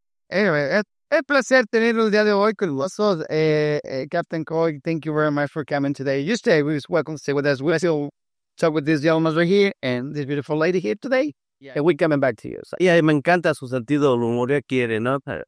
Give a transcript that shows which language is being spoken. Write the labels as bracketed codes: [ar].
[es] Anyway, es placer tenerlo el día de hoy con vosotros, Captain Coy. [en] Thank you very much for coming today. You stay. We're welcome to stay with us. We still talk with these gentlemen right here and this beautiful lady here today. Yeah. And we're coming back to you. So. [es] Yeah, me encanta su sentido del humor que quiere, ¿no?